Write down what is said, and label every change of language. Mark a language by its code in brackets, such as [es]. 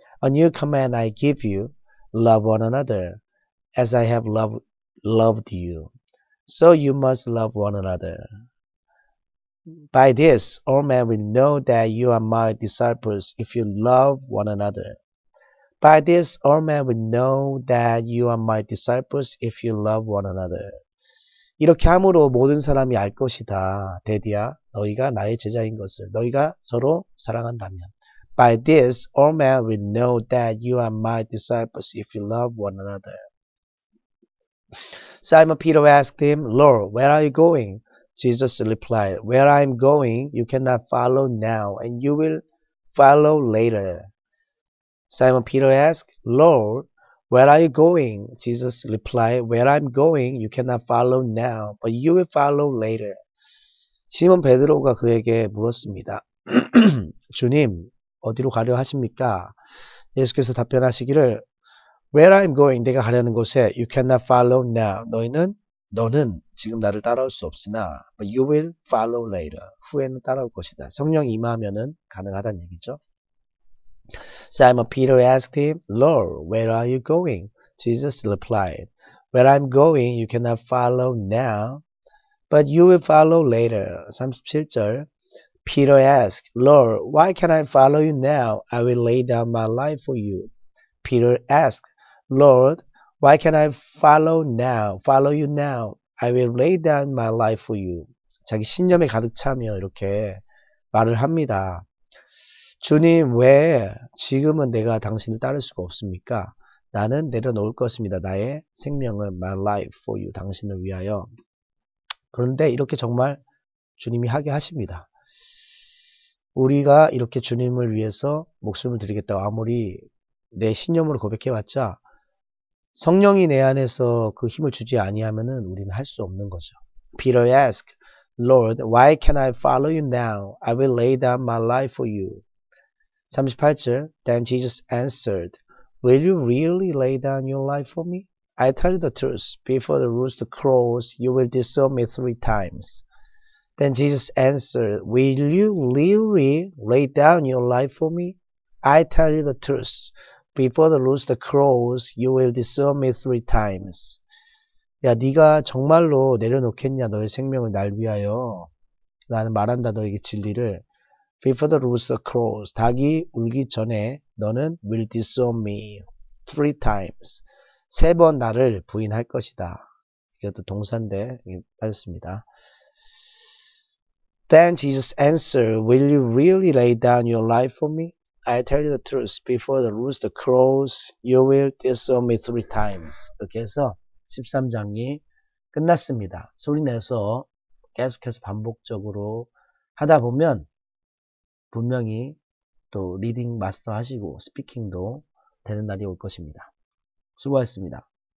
[en] A new command I give you, love one another as I have loved you. So you must love one another. By this, all men will know that you are my disciples if you love one another. By this, all men will know that you are my disciples if you love one another. [ko] 이렇게 함으로 모든 사람이 알 것이다. 데디야, 너희가 나의 제자인 것을. 너희가 서로 사랑한다면. [en] By this, all men will know that you are my disciples if you love one another. Simon Peter asked him, Lord, where are you going? Jesus replied, Where I am going, you cannot follow now, and you will follow later. Simon Peter asked, Lord, where are you going? Jesus replied, Where I am going, you cannot follow now, but you will follow later. [ko] 시몬 베드로가 그에게 물었습니다. 주님, 어디로 가려 하십니까? 예수께서 답변하시기를, [en] Where I'm going, [ko] 내가 가려는 곳에, [en] you cannot follow now. [ko] 너는 지금 나를 따라올 수 없으나, [en] but you will follow later. [ko] 후에는 따라올 것이다. 성령 임하면은 가능하단 얘기죠. [en] Simon Peter asked him, Lord, where are you going? Jesus replied, Where I'm going, you cannot follow now, but you will follow later. [ko] 37절. [en] Peter asked, Lord, why can't I follow you now? I will lay down my life for you. Peter asked, Lord, why can't I follow you now? I will lay down my life for you. [ko] 자기 신념에 가득 차며 이렇게 말을 합니다. 주님, 왜 지금은 내가 당신을 따를 수가 없습니까? 나는 내려놓을 것입니다. 나의 생명을, [en] my life for you, [ko] 당신을 위하여. 그런데 이렇게 정말 주님이 하게 하십니다. 우리가 이렇게 주님을 위해서 목숨을 드리겠다고 아무리 내 신념으로 고백해봤자, 성령이 내 안에서 그 힘을 주지 아니하면은 우리는 할 수 없는 거죠. [en] Peter asked, Lord, why can I follow you now? I will lay down my life for you. 38절, Then Jesus answered, Will you really lay down your life for me? I tell you the truth, before the rooster crows, you will disown me three times. Then Jesus answered, Will you really lay down your life for me? I tell you the truth, before the rooster crows, you will disown me three times. [ko] 야, 네가 정말로 내려놓겠냐, 너의 생명을 날 위하여. 나는 말한다, 너에게 진리를. Before the rooster crows, 닭이 울기 전에 너는 will disown me three times. 세번 나를 부인할 것이다. 이것도 동사인데 빠졌습니다. Then Jesus answered, Will you really lay down your life for me? I tell you the truth, before the rooster crows, you will disown me three times. 이렇게 해서 13장이 끝났습니다. 소리 내서 계속해서 반복적으로 하다 보면 분명히 또 리딩 마스터 하시고 스피킹도 되는 날이 올 것입니다. 수고하셨습니다.